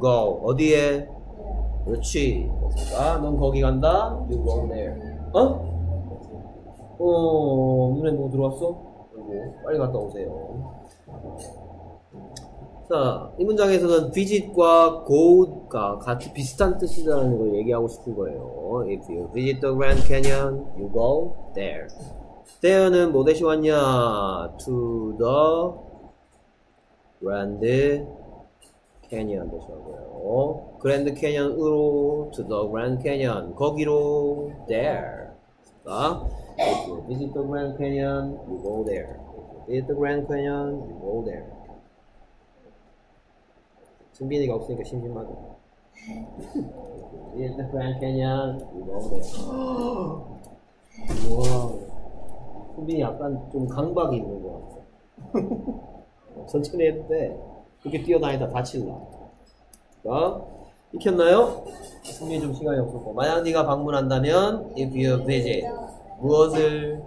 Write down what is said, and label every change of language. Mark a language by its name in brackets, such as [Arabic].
[English] You go. [Korean] 어디에? 그렇지. 그러니까 넌 거기 간다? [English] You go there. [Korean] 어? 눈에 뭐 들어왔어? 그리고 빨리 갔다 오세요. 자, 이 문장에서는 visit과 go가 같이 비슷한 뜻이라는 걸 얘기하고 싶은 거예요. [English] If you visit the Grand Canyon, you go there. [Korean] There는 뭐 대신 왔냐? [English] To the Grand Canyon [Korean] 대신 왔고요. Grand Canyon으로 [English] to the Grand Canyon [Korean] 거기로 there. [English] 자, If you visit the Grand Canyon, you go there. If you visit the Grand Canyon, you go there. [Korean] 승빈이가 없으니까 심심하다. [English] If you visit the Grand Canyon, you go there. [Korean] 와, 승빈이 약간 좀 강박이 있는 것 같아. 천천히 해도 돼. 그렇게 뛰어다니다 다칠라. 자, 익혔나요? 승빈이 좀 시간이 없었고. 만약 네가 방문한다면, [English] if you visit. [Korean] 무엇을?